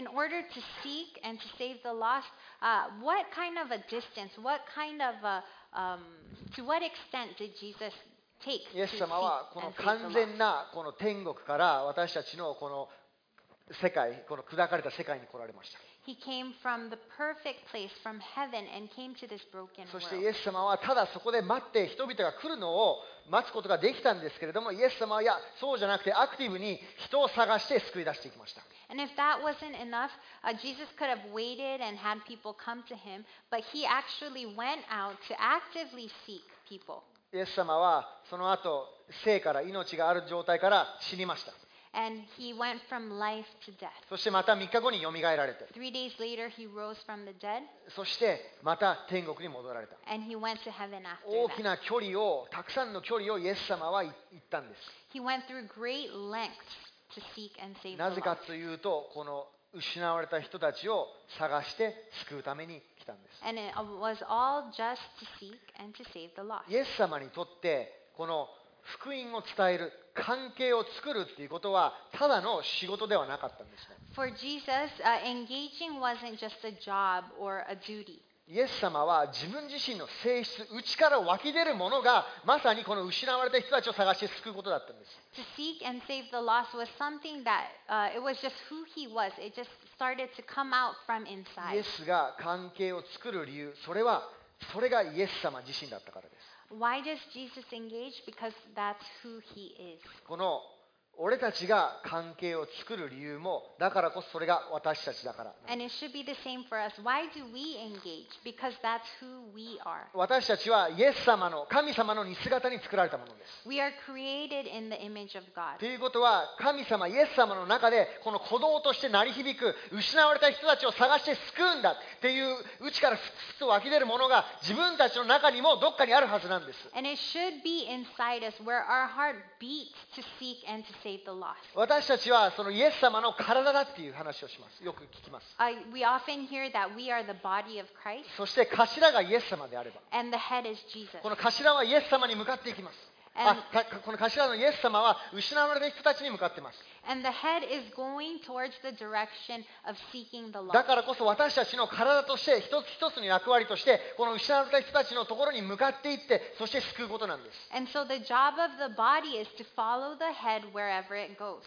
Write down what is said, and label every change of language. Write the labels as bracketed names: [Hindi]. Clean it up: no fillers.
[English] In order to seek and to save the lost, what kind of a distance, what kind of a, to what extent did Jesus take? [Japanese] イエス様はこの完全なこの天国から私たちのこの世界、この砕かれた世界に来られました。 [English] He came from the perfect place, from heaven, and came to this broken world. [Japanese] そしてイエス様はただそこで待って人々が来るのを待つことができたんですけれども、イエス様はいやそうじゃなくてアクティブに人を探して救い出していきました。 [English] And if that wasn't enough, Jesus could have waited and had people come to him, but he actually went out to actively seek people. [Japanese] イエス様はその後生から命がある状態から死にました。 [English] And he went from life to death. [Japanese] そしてまた3日後によみがえられて。 [English] Three days later, he rose from the dead. [Japanese] そしてまた天国に戻られた。 [English] And he went to heaven after that. [Japanese] 大きな距離を、たくさんの距離をイエス様は行ったんです。 [English] He went through great lengths to seek and save the lost. [Japanese] なぜかというと、この失われた人たちを探して救うために来たんです。 [English] And it was all just to seek and to save the lost. [Japanese] イエス様にとってこの福音を伝える、関係を作るっていうことはただの仕事ではなかったんですね。 [English] For Jesus, engaging wasn't just a job or a duty. [Japanese] イエス様は自分自身の性質、内から湧き出るものがまさにこの失われた人たちを探して救うことだったんです。 [English] To seek and save the lost was something that it was just who he was. It just started to come out from inside. [Japanese] イエスが関係を作る理由、それがイエス様自身だったからです。 [English] Why does Jesus engage? Because that's who he is. [Japanese] この俺たちが関係を作る理由もだからこそそれが私たちだから。 [English] And it should be the same for us. Why do we engage? Because that's who we are. [Japanese] 私たちはイエス様の神様の似姿に作られたものです。 [English] We are created in the image of God. [Japanese] ということは神様イエス様の中でこの鼓動として鳴り響く失われた人たちを探して救うんだっていう内からふつふつ湧き出るものが自分たちの中にもどっかにあるはずなんです。 [English] And it should be inside us where our heart beats to seek and to save the lost. [Japanese] 私たちはそのイエス様の体だっていう話をします。よく聞きます。 [English] We often hear that we are the body of Christ. [Japanese] そして頭がイエス様であれば。 [English] And the head is Jesus. [Japanese] この頭はイエス様に向かっていきます。この頭のイエス様は失われた人たちに向かっています。 [English] And the head is going towards the direction of seeking the lost. [Japanese] だからこそ私たちの体として一つ一つの役割としてこの失われた人たちのところに向かっていってそして救うことなんです。 [English] And so the job of the body is to follow the head wherever it goes.